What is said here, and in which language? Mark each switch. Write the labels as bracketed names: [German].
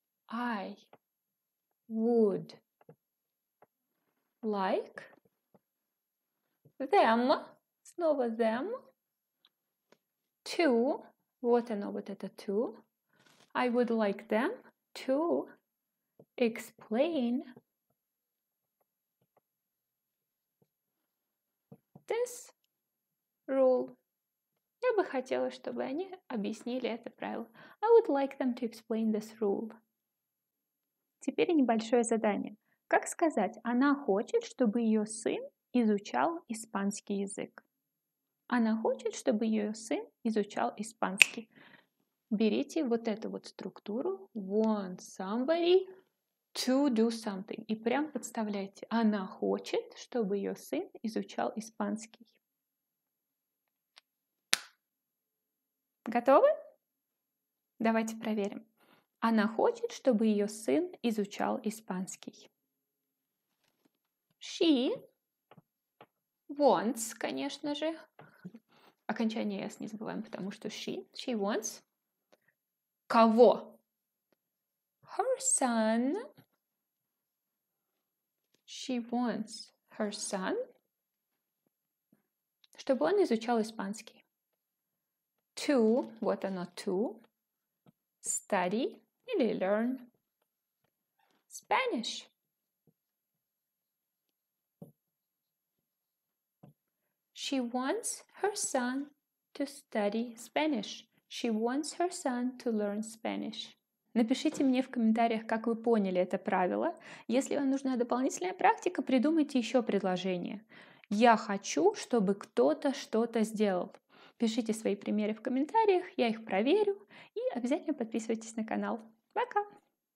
[English] I would like them, [Russian] снова [English] them, to, [Russian] вот оно, вот это [English] to, I would like them to explain this rule. [Russian] Я бы хотела, чтобы они объяснили это правило. [English] I would like them to explain this rule. [Russian] Теперь небольшое задание. Как сказать, она хочет, чтобы ее сын изучал испанский язык? Она хочет, чтобы ее сын изучал испанский. Берите вот эту вот структуру [English] want somebody to do something [Russian] и прям подставляйте. Она хочет, чтобы ее сын изучал испанский. Готовы? Давайте проверим. Она хочет, чтобы ее сын изучал испанский. [English] She wants, [Russian] конечно же. Окончание S не забываем, потому что she. [English] She wants. [Russian] Кого? [English] Her son. She wants her son. [Russian] Чтобы он изучал испанский. To, вот оно, to. [English] Study. [Russian] Или [English] learn Spanish. She wants her son to study Spanish. She wants her son to learn Spanish. [Russian] Напишите мне в комментариях, как вы поняли это правило. Если вам нужна дополнительная практика, придумайте еще предложение. Я хочу, чтобы кто-то что-то сделал. Пишите свои примеры в комментариях, я их проверю. И обязательно подписывайтесь на канал. Пока!